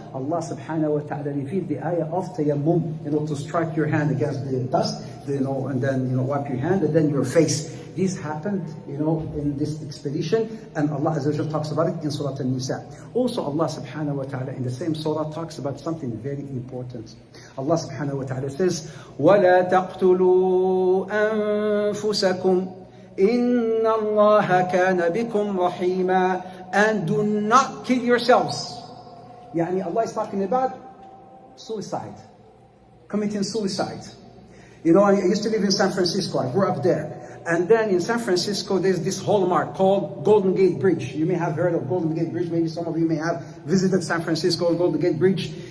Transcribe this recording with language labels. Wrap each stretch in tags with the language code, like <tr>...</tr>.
<en>Allah subhanahu wa ta'ala revealed the ayah of tayammum, you know, to strike your hand against the dust, you know, and then, you know, wipe your hand, and then your face. This happened, you know, in this expedition, and Allah Azza wa Jalla talks about it in Surah An-Nisa. Also, Allah subhanahu wa ta'ala in the same surah talks about something very important. Allah subhanahu wa ta'ala says,</en> <ar>وَلَا تَقْتُلُوا أَنفُسَكُمْ إِنَّ اللَّهَ كَانَ بِكُمْ رَحِيمًا.</ar> <en>And do not kill yourselves.</en> <ar>يعني</ar> <en>Allah is talking about suicide. Committing suicide. You know, I used to live in San Francisco. I grew up there. And then in San Francisco, there's this hallmark called Golden Gate Bridge. You may have heard of Golden Gate Bridge. Maybe some of you may have visited San Francisco or Golden Gate Bridge.</en>